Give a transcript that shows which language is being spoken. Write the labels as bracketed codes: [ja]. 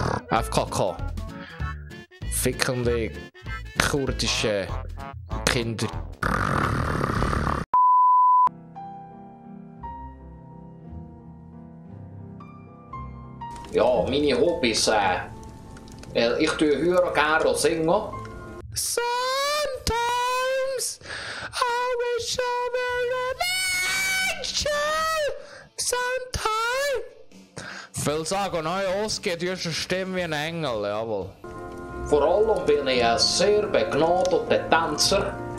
[de] FKK. Fickende kurdische Kinder. Ja, meine Hobbys, ich tue hören gerne singen. [en] Sometimes I wish I were an angel. Sometimes. [de] Viele sagen, neue Oskar, du hast eine Stimme wie ein Engel, jawohl. Vor allem bin ich ein sehr begnadeter Tänzer.